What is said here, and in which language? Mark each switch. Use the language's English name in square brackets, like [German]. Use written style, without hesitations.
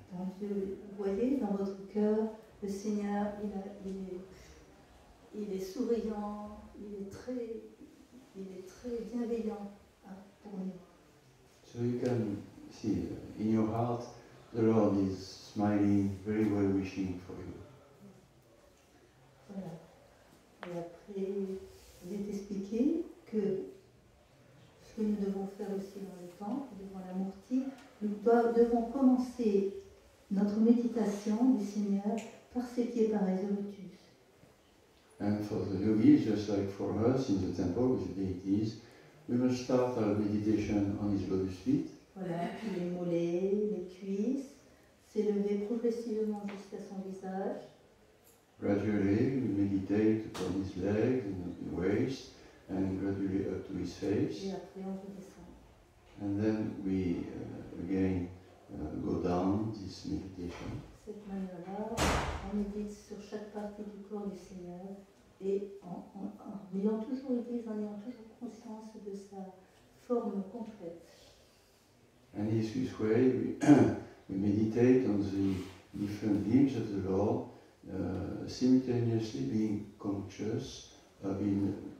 [French] Donc, vous voyez, dans votre cœur, le Seigneur, il est souriant, il est très bienveillant pour nous. [English] So you can see in your heart, the Lord is smiling, very well wishing for you. [French] Voilà. Et après, il est expliqué que ce que nous devons faire aussi dans le temple, devant la Murti, nous devons commencer notre méditation du Seigneur par ses pieds, par les lotus. [English] And for the yogis, just like for us in the temple with the deities, we must start our meditation on his lotus feet. [French] Voilà, les mollets, les cuisses, s'élever progressivement jusqu'à son visage. [English] Gradually, we meditate upon his legs and the waist. And gradually up to his face. [French] Et après on redescend. [English] And then we again go down this meditation. [French] Cette manière-là, on médite sur chaque partie du corps du Seigneur et en ayant toujours l'église, en ayant toujours conscience de sa forme complète. [English] And in this way, we meditate on the different limbs of the Lord, simultaneously being conscious of him.